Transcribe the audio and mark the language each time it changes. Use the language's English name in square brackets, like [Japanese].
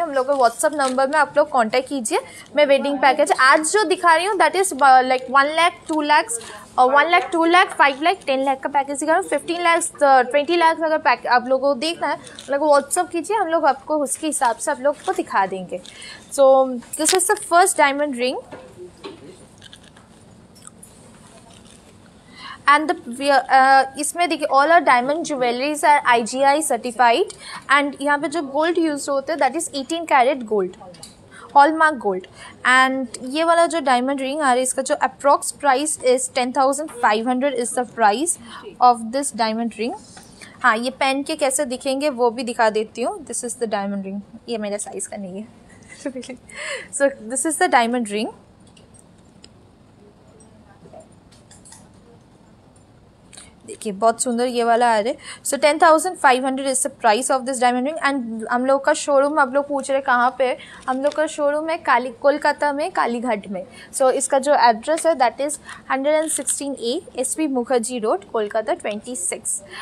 [Hindi] हम लोग का व्हाट्सअप नंबर में आप लोग कॉन्टैक्ट कीजिए. मैं वेडिंग पैकेज आज जो दिखा रही हूँ [English] that is like [Hindi] 1 lakh 2 lakh और 1 लाख 2 लाख 5 लाख 10 लाख का पैकेज दिखा रहा हूँ. 15 लाख 20 लाख अगर आप लोगों को देखना है लोग व्हाट्सअप कीजिए, हम लोग आपको उसके हिसाब से आप लोग को दिखा देंगे. [English] so this is the first diamond ring and the [Hindi] इसमें देखिए [English] all our diamond jewelries are IGI certified and [Hindi] यहाँ पर जो [English] gold used [Hindi] होते हैं [English] that is 18 carat gold, hallmark gold. and [Hindi] ये वाला जो [English] diamond ring [Hindi] आ रहा है इसका जो [English] Approx price is 10,500 is the price of this diamond ring. [Hindi] हाँ ये पेन के कैसे दिखेंगे वो भी दिखा देती हूँ. [English] this is the diamond ring, [Hindi] ये मेरे size का नहीं है. [English] so this is the diamond ring. [Hindi] देखिए बहुत सुंदर ये वाला आ रहा है. [English] So 10,500 is the price of this diamond ring. [Hindi] And हम लोग का शोरूम, आप लोग पूछ रहे कहाँ पे, हम लोग का शोरूम है काली कोलकाता में कालीघाट में. सो इसका जो एड्रेस है [English] that is [Hindi] 116A SP Mukherjee road Kolkata 26.